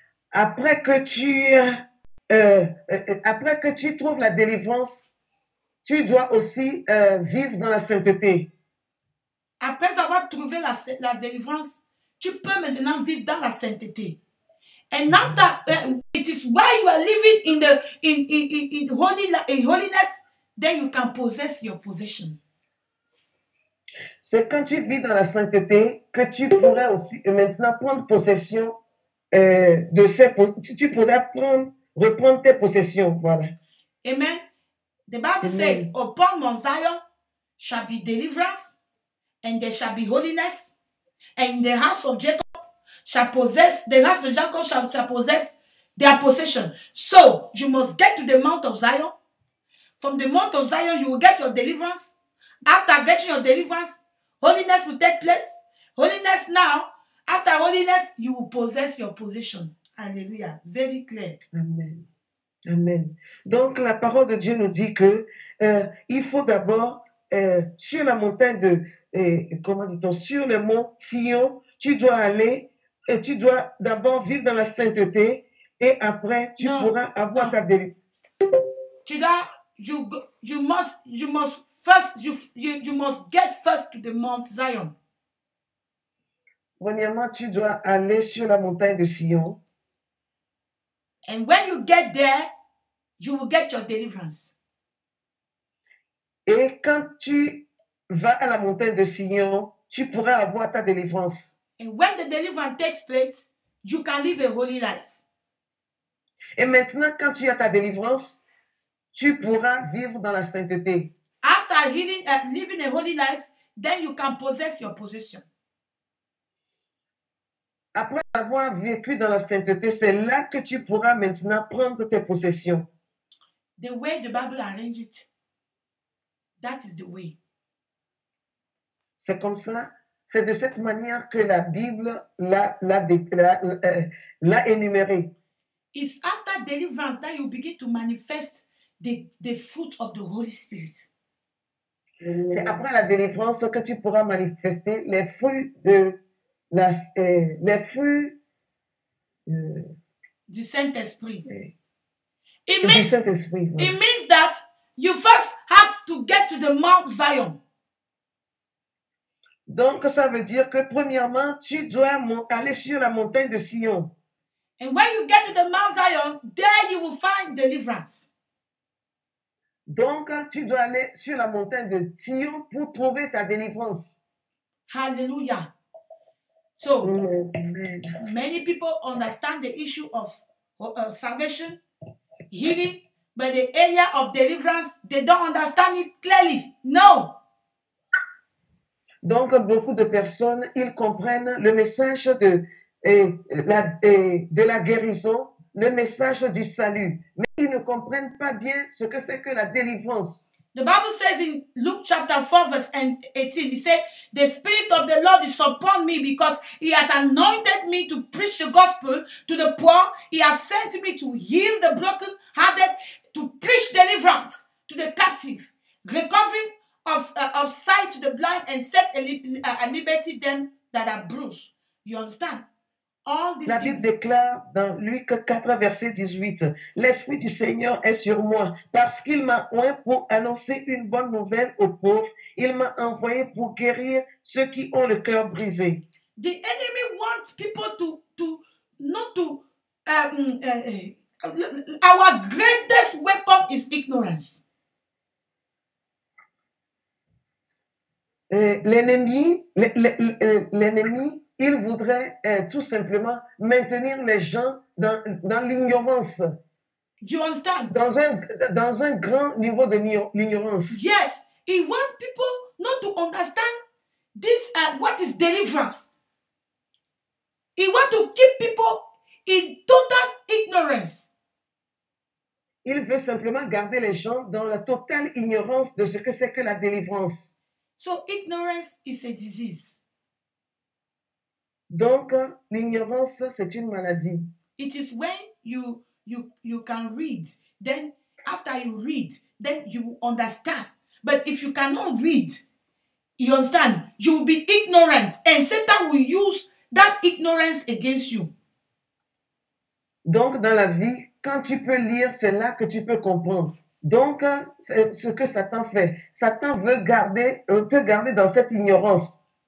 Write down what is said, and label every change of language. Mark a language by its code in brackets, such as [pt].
[fr] Après que tu trouves la délivrance, tu dois aussi vivre dans la sainteté. Après avoir trouvé la délivrance, tu peux maintenant vivre dans la sainteté. [en] And after, it is while you are living in holiness, then you can possess your possession. [fr] C'est quand tu vis dans la sainteté que tu pourras aussi maintenant prendre possession de ces possessions. Tu pourras reprendre tes possessions. Voilà. Amen. [en] The Bible says, upon Mount Zion shall be deliverance, and there shall be holiness, and the house of Jacob shall possess, the house of Jacob shall possess their possession. So, you must get to the Mount of Zion. From the Mount of Zion, you will get your deliverance. After getting your deliverance, holiness will take place. Holiness now, after holiness, you will possess your possession. Hallelujah. Very clear. Amen. Amen. [fr] Donc, la parole de Dieu nous dit que il faut d'abord, sur la montagne de, comment dit-on, sur le mont Sion, tu dois aller et tu dois d'abord vivre dans la sainteté et après, tu pourras avoir ta délivrance. Tu dois, [en] you must get first to the Mount Zion. [fr] Premièrement, tu dois aller sur la montagne de Sion. [en] And when you get there, you will get your deliverance. [fr] Et quand tu vas à la montagne de Sion, tu pourras avoir ta délivrance. [en] And when the deliverance takes place, you can live a holy life. [fr] Et maintenant, quand tu as ta délivrance, tu pourras vivre dans la sainteté. [en] After healing, living a holy life, then you can possess your possession. [fr] Après avoir vécu dans la sainteté, c'est là que tu pourras maintenant prendre tes possessions. [en] The way the Bible arranges it, that is the way. [fr] C'est comme ça, c'est de cette manière que la Bible l'a énuméré. [en] It's after deliverance that you begin to manifest the fruit of the Holy Spirit. [fr] C'est après la délivrance que tu pourras manifester les fruits de les fruits du Saint-Esprit. [en] It means that you first have to get to the Mount Zion. [fr] Donc, ça veut dire que premièrement, tu dois aller sur la montagne de Sion. [en] And when you get to the Mount Zion, there you will find deliverance. [fr] Donc, tu dois aller sur la montagne de Sion pour trouver ta délivrance. Hallelujah. [en] So, many people understand the issue of salvation. Healing, but the area of deliverance, they don't understand it clearly. No. [fr] Donc, beaucoup de personnes, ils comprennent le message de la guérison, le message du salut, mais ils ne comprennent pas bien ce que c'est que la délivrance. [en] The Bible says in Luke chapter 4, verse 18, it says, the Spirit of the Lord is upon me because he has anointed me to preach the gospel to the poor. He has sent me to heal the brokenhearted, to preach deliverance to the captive, recovering of sight to the blind, and set at liberty them that are bruised. You understand? All these [fr] La [en] things. [fr] Bible déclare dans Luc 4, verset 18, « L'Esprit du Seigneur est sur moi, parce qu'il m'a oint pour annoncer une bonne nouvelle aux pauvres. Il m'a envoyé pour guérir ceux qui ont le cœur brisé. » [en] The enemy wants people our greatest weapon is ignorance. [fr] L'ennemi, il voudrait tout simplement maintenir les gens dans l'ignorance. [en] Do you understand? [fr] Dans un grand niveau de l'ignorance. [en] Yes, he wants people not to understand this what is deliverance. He wants to keep people in total ignorance. [fr] Il veut simplement garder les gens dans la totale ignorance de ce que c'est que la délivrance. [en] So ignorance is a disease. [fr] Donc, l'ignorance, c'est une maladie. [en] It is when you can read, then after you read, then you understand. But if you cannot read, you understand, you will be ignorant. And Satan will use that ignorance against you. [fr] Donc, dans la vie, quand tu peux lire, c'est là que tu peux comprendre. Donc, c'est ce que Satan fait. Satan veut garder, te garder dans cette ignorance.